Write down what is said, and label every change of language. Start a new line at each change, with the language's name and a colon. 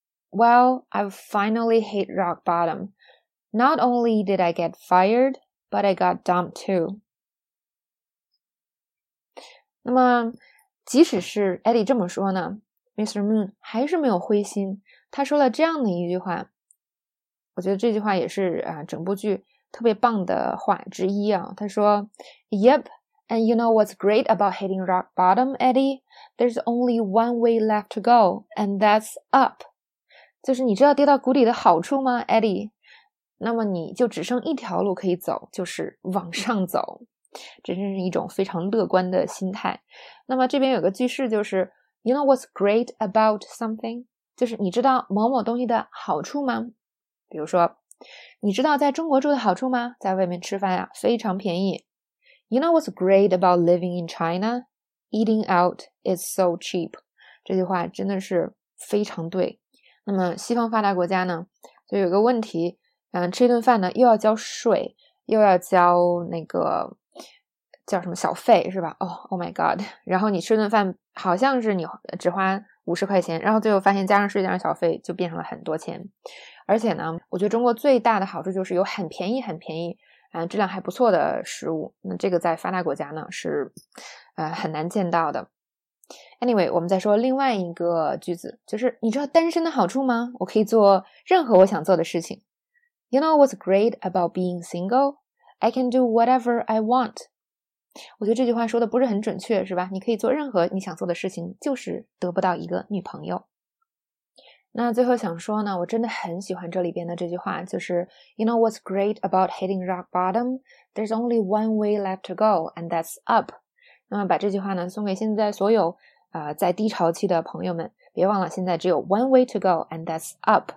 English: Well, I've finally hit rock bottom. Not only did I get fired, but I got dumped too.
Chinese: 那么即使是 Eddie 这么说呢， Mr. Moon 还是没有灰心，他说了这样的一句话，我觉得这句话也是啊整部剧特别棒的话之一啊，他说
English: Yep,And you know what's great about hitting rock bottom, Eddie? There's only one way left to go, and that's up.
Chinese: 就是你知道跌到谷底的好处吗, Eddie? 那么你就只剩一条路可以走，就是往上走。这真是一种非常乐观的心态。那么这边有个句式就是
English: You know what's great about something?
Chinese: 就是你知道某某东西的好处吗？比如说，你知道在中国住的好处吗？在外面吃饭呀，非常便宜。
English: You know what's great about living in China? Eating out is so cheap.
Chinese: 这句话真的是非常对。那么西方发达国家呢，就有个问题，吃一顿饭呢又要交税，又要交那个叫什么小费是吧？
English: Oh my god.
Chinese: 然后你吃顿饭好像是你只花50块钱，然后最后发现加上税加上小费就变成了很多钱。而且呢，我觉得中国最大的好处就是有很便宜很便宜质量还不错的食物，那这个在发达国家呢是很难见到的。 Anyway, 我们再说另外一个句子，就是你知道单身的好处吗？我可以做任何我想做的事情。
English: You know what's great about being single? I can do whatever I want.
Chinese: 我觉得这句话说的不是很准确是吧，你可以做任何你想做的事情，就是得不到一个女朋友。那最后想说呢，我真的很喜欢这里边的这句话，就是
English: You know what's great about hitting rock bottom? There's only one way left to go, and that's up.
Chinese: 那么把这句话呢送给现在所有在低潮期的朋友们，别忘了现在只有
English: one way to go, and that's up.